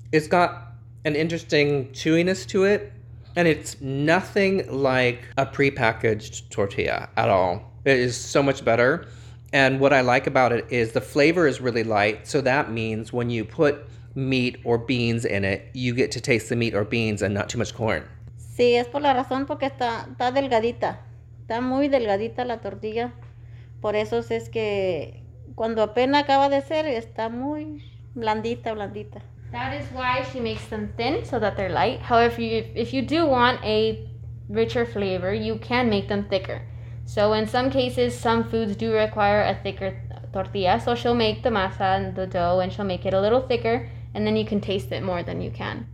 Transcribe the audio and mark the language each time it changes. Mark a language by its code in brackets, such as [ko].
[en] It's got an interesting chewiness to it, and it's nothing like a prepackaged tortilla at all. It is so much better. And what I like about it is the flavor is really light, so that means when you put meat or beans in it, you get to taste the meat or beans and not too much corn. [es] Sí, es por la razón porque está delgadita. Está muy delgadita la tortilla. Por eso es que cuando apenas acaba de ser, está muy blandita, blandita. [en] That is why she makes them thin, so that they're light. However, if you do want a richer flavor, you can make them thicker. So in some cases, some foods do require a thicker tortilla. So she'll make the masa and the dough, and she'll make it a little thicker, and then you can taste it more than you can.